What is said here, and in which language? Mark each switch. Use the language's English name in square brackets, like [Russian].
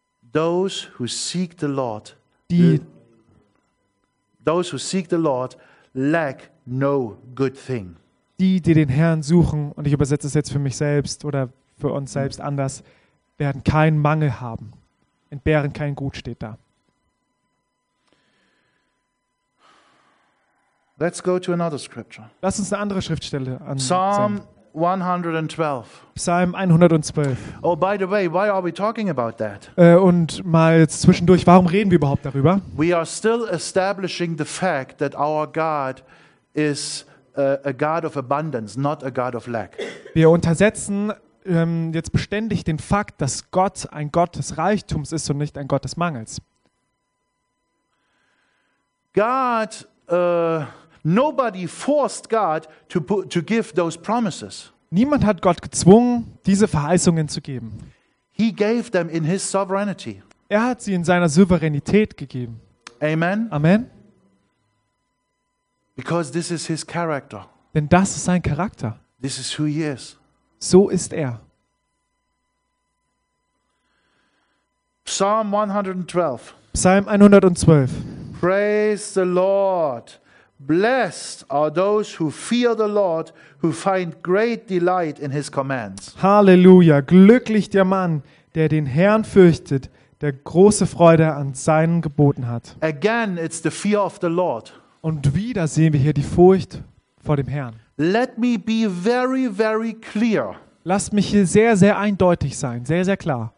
[English] Those who seek the Lord, those who seek the Lord lack no good thing. [German] Die den Herrn suchen, und ich übersetze es jetzt für mich selbst oder für uns selbst anders, werden keinen Mangel haben. Entbehren kein Gut, steht da. [English] Let's go to another scripture. [German] Lass uns eine andere Schriftstelle ansehen. [English] Psalm 112. [German] Psalm 112. [English] Oh, by the way, why are we talking about that? [German] Und mal zwischendurch, warum reden wir überhaupt darüber? [English] We are still establishing the fact that our God is a God of abundance, not a God of lack. [German] Wir untersetzen jetzt beständig den Fakt, dass Gott ein Gott des Reichtums ist und nicht ein Gott des Mangels. [English] God, nobody forced God to give those promises. [German] Niemand hat Gott gezwungen, diese Verheißungen zu geben. [English] He gave them in his sovereignty. [German] Er hat sie in seiner Souveränität gegeben. [English] Amen. [German] Amen. [English] Because this is his character. [German] Denn das ist sein Charakter. [English] This is who he is. [German] So ist er. [English] Psalm 112. [German] Psalm 112. [English] Praise the Lord. Blessed are those who fear the Lord, who find great delight in his commands. [German] Halleluja. Glücklich der Mann, der den Herrn fürchtet, der große Freude an seinen Geboten hat. [English] Again, it's the fear of the Lord. [German] Und wieder sehen wir hier die Furcht vor dem Herrn. [English] Let me be very, very clear. [German] Lass mich hier sehr, sehr eindeutig sein, sehr, sehr klar.